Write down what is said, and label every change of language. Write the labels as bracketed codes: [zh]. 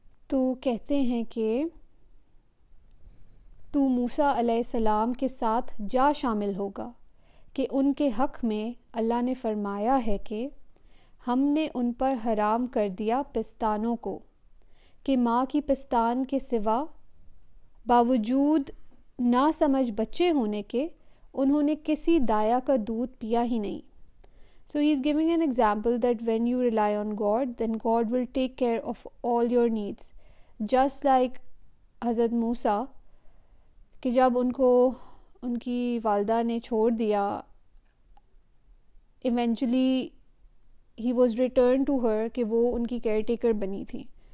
[ur] تو کہتے ہیں کہ تو موسیٰ علیہ السلام کے ساتھ جا شامل ہوگا کہ ان کے حق میں اللہ نے فرمایا ہے کہ ہم نے ان پر حرام کر دیا پستانوں کو کہ ماں کی پستان کے سوا باوجود نہ سمجھ بچے ہونے کے انہوں نے کسی دایا کا دودھ پیا ہی نہیں. [en] So he is giving an example that when you rely on God, then God will take care of all your needs. Just like Hazrat Musa, [ur] کہ جب ان کو ان کی والدہ نے چھوڑ دیا, [en] eventually he was returned to her, [ur] کہ وہ ان کی caretaker بنی تھی.